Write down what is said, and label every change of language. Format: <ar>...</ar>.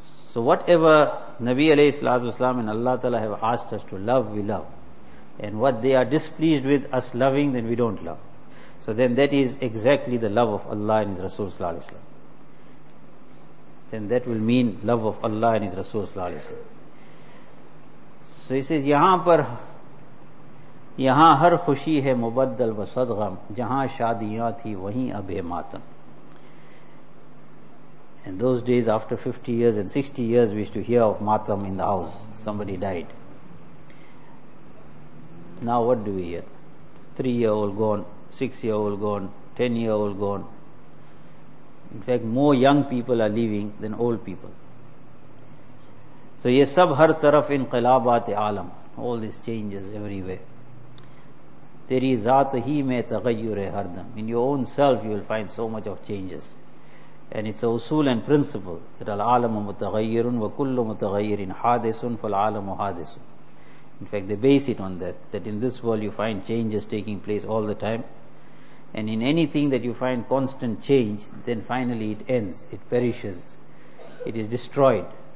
<en>So whatever Nabi alayhi salatu wasalam and Allah Ta'ala have asked us to love, we love. And what they are displeased with us loving, then we don't love. So then that is exactly the love of Allah and His Rasul sallallahu alayhi wasalam. Then that will mean love of Allah and His Rasul sallallahu alayhi wasalam. So he says,</en> <ur>yahan par یہاں ہر خوشی ہے مبدل و صدغم جہاں شادیاں تھی وہیں اب ہے ماتم.</ur> <en>In those days after 50 years and 60 years we used to hear of ماتم in the house. Somebody died. Now what do we hear? 3-year-old gone, 6-year-old gone, 10-year-old gone. In fact more young people are leaving than old people.</en> <ur>So یہ سب ہر طرف انقلابات عالم,</ur> <en>all these changes everywhere.</en> <ur>تیری ذات ہی میں تغیر ہے ہر دم.</ur> <en>In your own self you will find so much of changes. And it's a usul and principle that</en> <ar>العالم متغیر وکل متغیر حادث فالعالم حادث.</ar> <en>In fact, they base it on that, that in this world you find changes taking place all the time. And in anything that you find constant change, then finally it ends, it perishes, it is destroyed.</en>